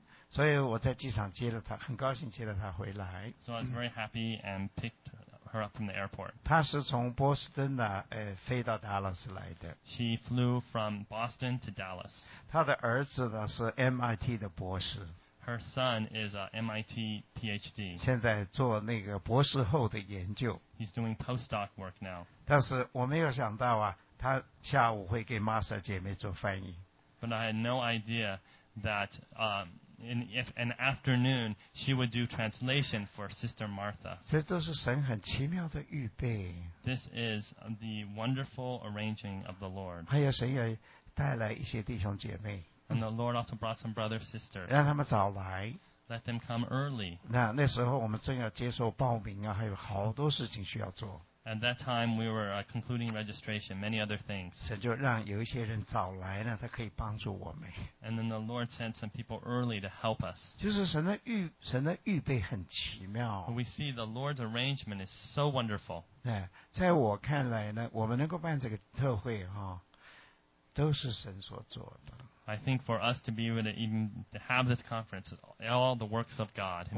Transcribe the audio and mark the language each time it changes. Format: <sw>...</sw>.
<zh>所以我在机场接了他很高兴接了他回来</zh> <en>So I was very happy and picked her up from the airport</en> <zh>他是从波士顿的飞到达拉斯来的</zh> <en>She flew from Boston to Dallas</en> <zh>他的儿子呢是 MIT 的博士</zh> <en>Her son is a MIT PhD</en> <zh>现在做那个博士后的研究</zh> <en>He's doing postdoc work now.</en> <zh>但是我没有想到啊，他下午会给 Martha 姐妹做翻译。</zh> <en>But I had no idea that in an afternoon she would do translation for Sister Martha.</en> <zh>这都是神很奇妙的预备。</zh> <en>This is the wonderful arranging of the Lord.</en> <zh>还有神也带来一些弟兄姐妹。</zh> <en>And the Lord also brought some brothers and sisters.</en> <zh>让他们早来。</zh> <en>Let them come early.</en> <zh>那时候我们正要接受报名啊，还有好多事情需要做。</zh> <en>At that time, we were concluding registration, many other things.</en> <zh>神就让有一些人早来呢，他可以帮助我们。</zh> <en>And then the Lord sent some people early to help us.</en> <zh>就是神的预备很奇妙。</zh> <en>We see the Lord's arrangement is so wonderful.</en> <zh>在我看来呢，我们能够办这个特会啊，都是神所做的。</zh> <en>I think for us to be able to even to have this conference, all the works of God himself.</en>